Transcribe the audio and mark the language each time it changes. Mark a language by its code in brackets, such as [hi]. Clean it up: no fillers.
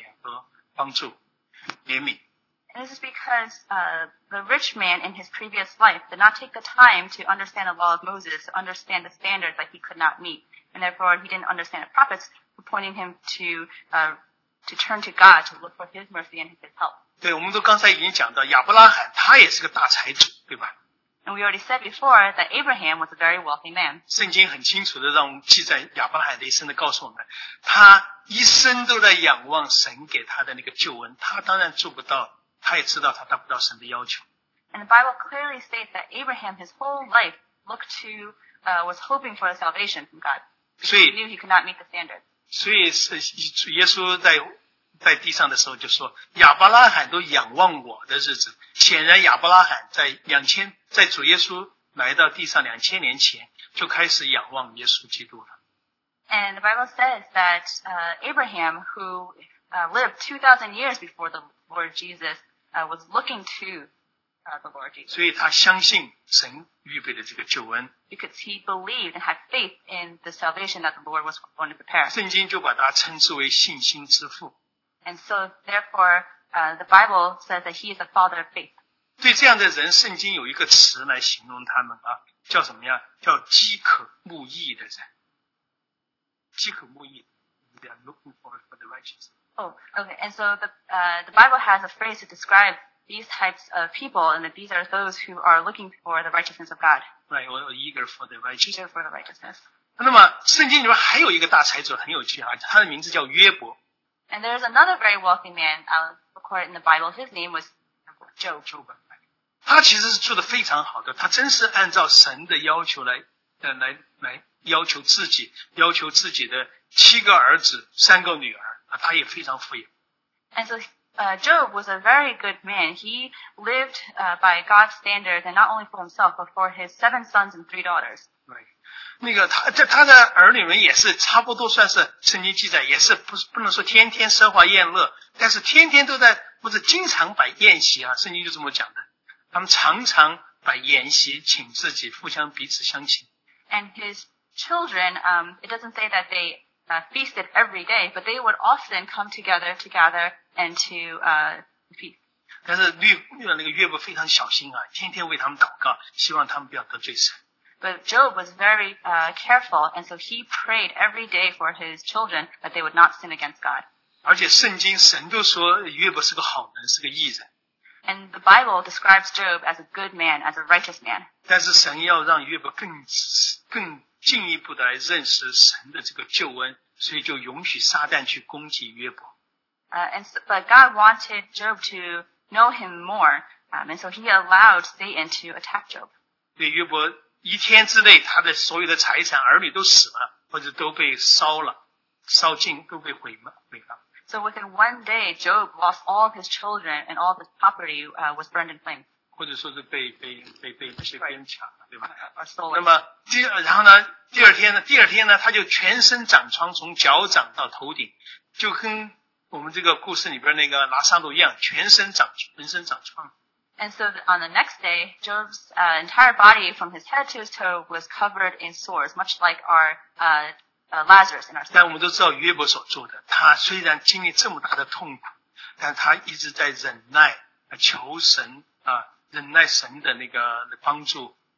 [zh] 因为生前他没有去明白摩西的律法的要求，他也没有去明白先知说他做不到，他可以在神的面前悔改，来求神的赦免和帮助、怜悯。 [en] And this is because the rich man in his previous life did not take the time to understand the law of Moses, to understand the standards that he could not meet, and therefore he didn't understand the prophets pointing him to turn to God to look for his mercy and his help. [zh] 对，我们都刚才已经讲到亚伯拉罕，他也是个大财主，对吧 [en] And we already said before that Abraham was a very wealthy man. [zh] 圣经很清楚地让我们记载亚伯拉罕的一生地告诉我们，他一生都在仰望神给他的那个救恩，他当然做不到，他也知道他达不到神的要求。 [en] And the Bible clearly states that Abraham his whole life looked to, was hoping for a salvation from God. So he knew he could not meet the standard. [zh] 所以耶稣在地上的时候就说，亚伯拉罕都仰望我的日子。显然亚伯拉罕在主耶稣来到地上两千年前就开始仰望耶稣基督了。 [en] And the Bible says that, Abraham, who, lived 2,000 years before the Lord Jesus, was looking to the Lord Jesus. [zh] 所以他相信神预备的这个救恩。 [en] Because he believed and had faith in the salvation that the Lord was going to prepare. [zh] 圣经就把他称之为信心之父。 [en] And so, therefore, the Bible says that he is a father of faith. [zh] 对这样的人，圣经有一个词来形容他们啊，叫什么呀？叫饥渴慕义的人。饥渴慕义。 [en] They are looking for the righteous. Oh, okay. And so the Bible has a phrase to describeThese types of people, and that these are those who are looking for the righteousness of God. Right, or eager for the righteousness. Eager for the righteousness. [zh] 那么圣经里面还有一个大财主很有趣啊，他的名字叫约伯。 [en] And there's another very wealthy man, recorded in the Bible. His name was Job. Job. [zh] 他其实是做得非常好的，他真是按照神的要求来要求自己，要求自己的七个儿子，三个女儿，他也非常富有。 [en] And so,Job was a very good man. He lived, by God's standards, and not only for himself, but for his seven sons and three daughters. Right. [zh] 那个他的儿女们也是差不多算是圣经记载，也是不能说天天奢华宴乐，但是天天都在，不是经常摆宴席啊，圣经就这么讲的。他们常常摆宴席，请自己互相彼此相亲。 [en] And his children, it doesn't say that they, feasted every day, but they would often come together to gather and to, feast. [zh] 但是那个约伯非常小心啊，天天为他们祷告，希望他们不要得罪神。 [en] But Job was very, careful, and so he prayed every day for his children that they would not sin against God. [zh] 而且圣经神都说约伯是个好人，是个义人。 [en] And the Bible describes Job as a good man, as a righteous man. [zh] 但是神要让约伯更进一步的来认识神的这个救恩，所以就允许撒旦去攻击约伯。 [en] But God wanted Job to know him more, and so he allowed Satan to attack Job. [zh] 对约伯一天之内他的所有的财产儿女都死了或者都被烧了烧尽都被毁了。 [en] So within one day, Job lost all of his children and all of his property, was burned in flames. [zh] 或者说是被人抢。对吧？然后呢？第二天呢？他就全身长疮，从脚长到头顶，就跟我们这个故事里边那个拿撒路一样，浑身长疮。 [en] And so on the next day, Job's entire body from his head to his toe was covered in sores, much like our Lazarus in our story. [zh] 但我们都知道约伯所做的，他虽然经历这么大的痛苦，但他一直在忍耐，求神啊，忍耐神的那个的帮助。